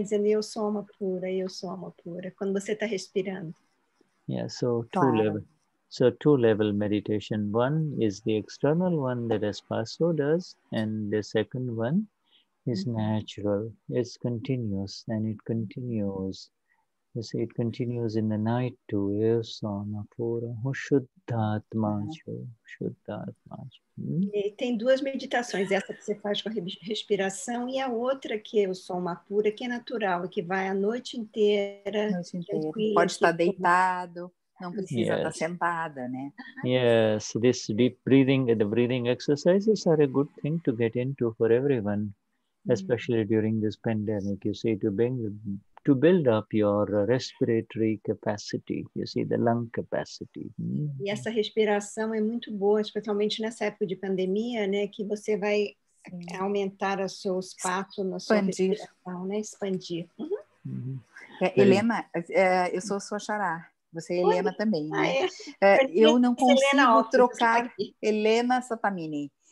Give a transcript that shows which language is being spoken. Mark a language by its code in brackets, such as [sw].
[pt] Dizendo eu sou amapura, quando você está respirando. [en] Yeah, so two level meditation. One is the external one that Espasso does, and the second one is natural. It's continuous, and it continues. You see, it continues in the night too. [pt] Eu sou amapura, o Shuddhatma. Shuddhatma. Tem duas meditações, essa que você faz com a respiração e a outra que eu sou amapura, que é natural, que vai a noite inteira. Pode estar deitado, não precisa estar sentada, né? [en] Yes, this deep breathing, the breathing exercises are a good thing to get into for everyone, especially during this pandemic. You see, to build up your respiratory capacity, you see, the lung capacity. [pt] E essa respiração é muito boa, especialmente nessa época de pandemia, né, que você vai aumentar o seu espaço na sua respiração, né, expandir. Helena, eu sou sua xará, você é Helena também, né? Eu não consigo trocar, Helena Satamini.